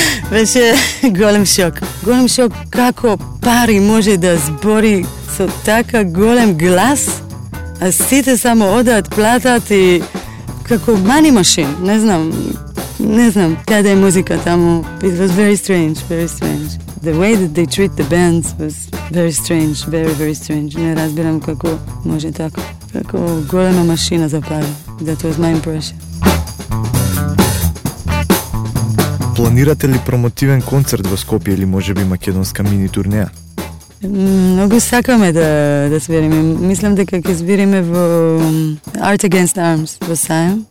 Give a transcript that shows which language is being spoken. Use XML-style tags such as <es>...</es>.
<mk>Беше голем шок. Голем шок како пари може да збори со така голем глас, а сите само одат, платат и како</mk> <en>money machine,</en> <mk>не знам. Не знам, каде е музика таму.</mk> <en>It was very strange, very strange. The way that they treat the bands was very strange, very, very strange.</en> <mk>Не разбирам како може така. Како голема машина за пари.</mk> <en>That was my impression.</en> <mk>Планирате ли промотивен концерт во Скопје или може би македонска мини турнеја? Многу сакаме да, свириме. Мислам дека ќе свириме во Art Against Arms во Сајм.</mk>